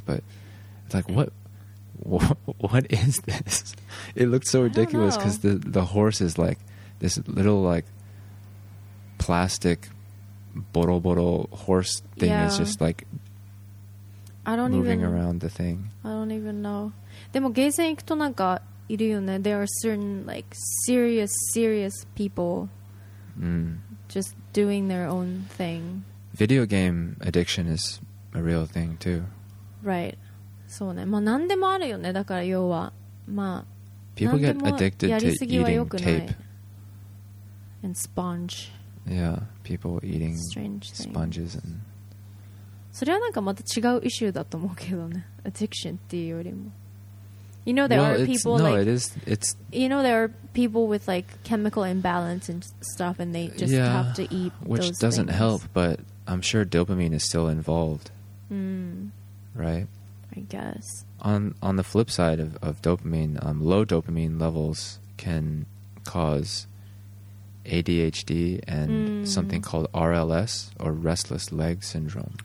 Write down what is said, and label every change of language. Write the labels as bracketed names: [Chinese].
[English] But it's like, what is this? It looked so ridiculous because the horse is like this little like plastic boroboro horse thing is just like, I don't even know. [Japanese] でもゲーセン行くとなんかいるよね。 [English] There are certain like serious people just doing their own thing. Video game addiction is a real thing too. Right. そうね。 [Japanese] まあ何でもあるよね。だから要はまあ [English] people get addicted to eating tape and sponge. Yeah, people eating strange sponges and. [Japanese] それはなんかまた違うイシューだと思うけどね。 [English] Addiction っていうよりも。 You know, there are people no, like, it is, it's, you know, there are people with like chemical imbalance and stuff and they just yeah, have to eat which those doesn't things. Help, but I'm sure dopamine is still involved. Right? I guess. On the flip side of dopamine, low dopamine levels can cause ADHD and something called RLS or restless leg syndrome.